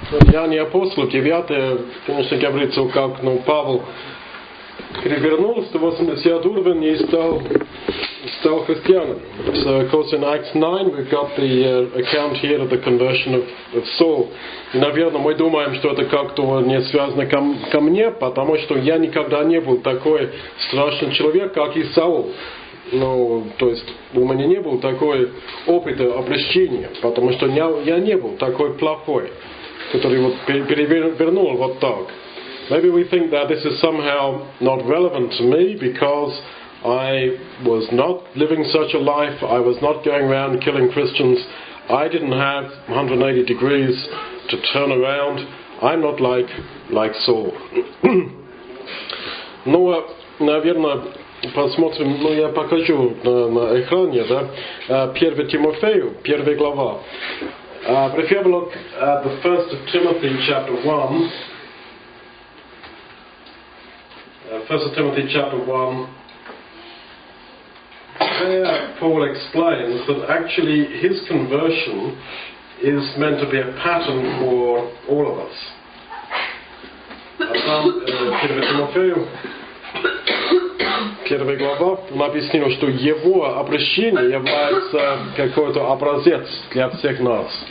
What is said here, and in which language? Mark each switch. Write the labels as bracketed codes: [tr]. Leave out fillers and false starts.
[ru] Деяния апостолов, 9, конечно, говорится, как, ну, Павел перевернулся на 80 уровень и стал христианом. [en] So, of course, in Acts 9, we've got the account here of the conversion of Saul. [ru] И, наверное, мы думаем, что это как-то не связано ко мне, потому что я никогда не был такой страшный человек, как и Саул. Ну, то есть, у меня не было такой опыта обращения, потому что я не был такой плохой, который вот перевернул вот так. [en] Maybe we think that this is somehow not relevant to me because I was not living such a life, I was not going around killing Christians, I didn't have 180 degrees to turn around, I'm not like Saul. [ru] Ну, наверное, посмотрим, ну я покажу на экране, да, 1 Тимофею, 1 глава. [en] But if you have a look at the first of Timothy chapter 1, 1 Timothy chapter 1, there Paul explains that actually his conversion is meant to be a pattern for all of us. [ru] Первая глава, он объяснил, что его обращение является какой-то образец для всех нас.